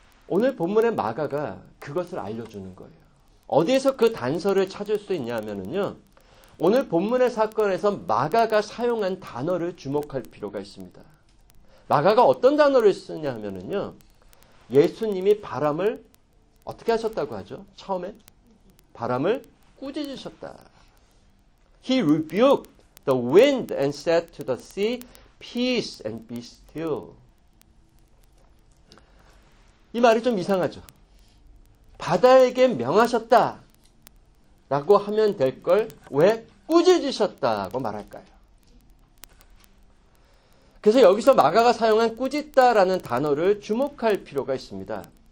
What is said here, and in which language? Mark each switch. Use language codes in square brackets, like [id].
[ko] 오늘 본문의 마가가 그것을 알려주는 거예요. 어디에서 그 단서를 찾을 수 있냐 하면요, 오늘 본문의 사건에서 마가가 사용한 단어를 주목할 필요가 있습니다. 마가가 어떤 단어를 쓰냐 하면요, 예수님이 바람을 어떻게 하셨다고 하죠? 처음에 바람을 꾸짖으셨다. [en] He rebuked the wind and said to the sea, peace and be still. [ko] 이 말이 좀 이상하죠. 바다에게 명하셨다 라고 하면 될 걸 왜 꾸짖으셨다고 말할까요? 그래서 여기서 마가가 사용한 꾸짖다라는 단어를 주목할 필요가 있습니다.